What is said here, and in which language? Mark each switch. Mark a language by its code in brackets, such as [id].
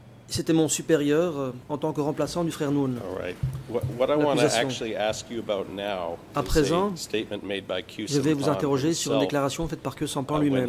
[fr] C'était mon supérieur en tant que remplaçant du frère Noon. [en] All right. What I want to actually ask you about now [fr] à présent, [en] is a statement made by Kyu Sampan. [fr] Je vais vous interroger sur une déclaration faite par Kyu Sampan lui-même.